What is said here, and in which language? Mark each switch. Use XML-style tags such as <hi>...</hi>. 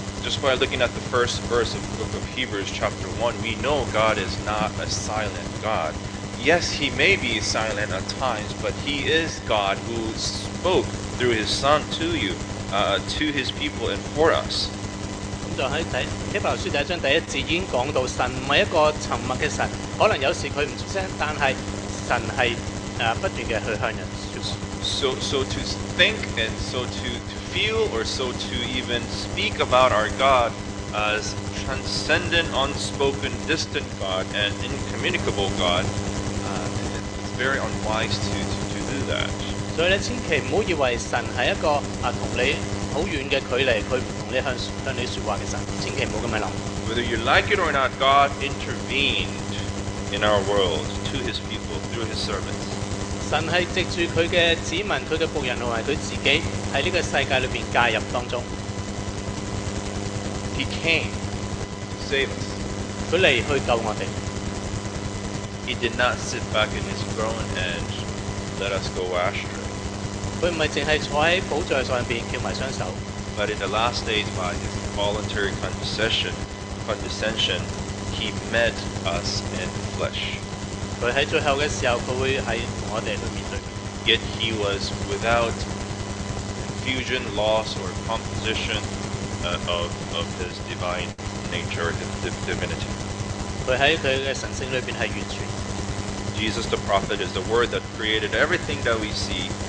<en>Just by looking at the first verse of the book of Hebrews, chapter 1, we know God is not a silent God. Yes, He may be silent at times, but He is God who spoke through His Son to you, to His people and for us.</en> <yue>咁就喺第希伯來書第一章第一節已經講到，神唔係一個沉默嘅神，可能有時佢唔出聲，但係神係不斷嘅去向人説。</yue> <en>So to think and so to feel or so to even speak about our God transcendent, unspoken, distant God, and incommunicable God, it's very unwise to do that.</en> <yue>所以你千祈唔好以为神系一个同你好远嘅距离，佢唔同你向你说话嘅神，千祈唔好咁样谂。</yue> <en>Whether you like it or not, God intervened in our world to His people through His servants.</en> <yue>神系藉住佢嘅子民、佢嘅仆人同埋佢自己喺呢个世界里边介入当中。</yue> <en>He came to save us.</en> <yue>佢嚟去救我哋。</yue> <en>He did not sit back in His throne and let us go astray.</en> <yue>佢唔係淨係坐喺寶座上邊翹埋雙手。</yue> <en>But in the last days, by His voluntary condescension, He met us in flesh.</en> <yue>佢喺最後嘅時候，佢會喺同我哋去面對。</yue> <en>Yet He was without confusion, loss, or composition of His divine nature, divinity.</en> <yue>佢喺佢嘅神性裏邊係完全。</yue> <en>Jesus the prophet is the Word that created everything that we see.</en>